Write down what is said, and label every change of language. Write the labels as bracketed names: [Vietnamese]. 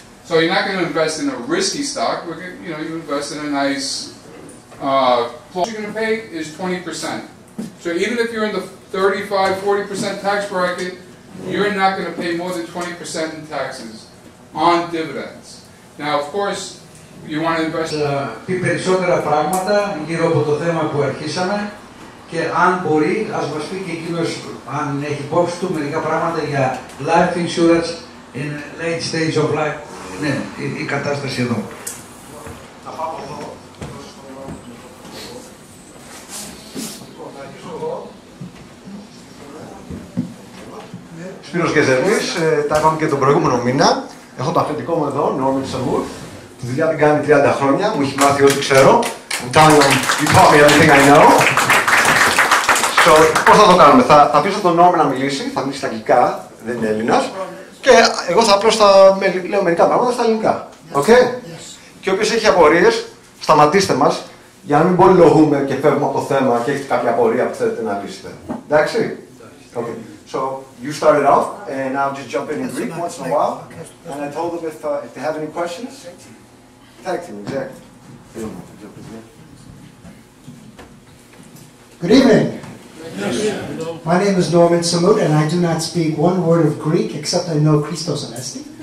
[English] So you're not going to invest in a risky stock, but you know, you invest in a nice, what you're going to pay is 20%. So even if you're in the 35-40% tax bracket, you're not going to pay more than 20% in taxes on dividends. Now, of course, you want to invest in... [Greek] Πει περισσότερα πράγματα γύρω από το θέμα που αρχίσαμε και αν μπορεί, ας μας πει και εκείνος, αν έχει υπόψη του, μερικά πράγματα για [English] life insurance in late stage of life. [Greek] Ναι, η κατάσταση εδώ. Σπύρος Κεζερμής, τα είπαμε και τον προηγούμενο μήνα. Έχω το αφεντικό μου εδώ, Norman Samuth. Τη δουλειά την κάνει 30 χρόνια, μου έχει μάθει ό,τι ξέρω. [English] I'm telling him, you taught me everything I know. [Greek] So, πώς θα το κάνουμε, θα πείσω τον Norman να μιλήσει, θα μιλήσει στα αγγλικά, δεν είναι Έλληνας. Και εγώ θα απλώς λέω μερικά πράγματα στα ελληνικά. [English] Yes. Okay? Yes. [Greek] Και όποιος έχει απορίες, σταματήστε μας, για να μην πολυλογούμε και φεύγουμε από το θέμα και έχετε κάποια απορία που θέλετε να λύσετε. Εντάξει. Okay. [English] So you started off, and I'll just jump in Greek once in a while, and I told them if they have any questions, tag team, exactly. Good evening. Good evening. My name is Norman Samuth, and I do not speak one word of Greek, except I know Christos Anesti.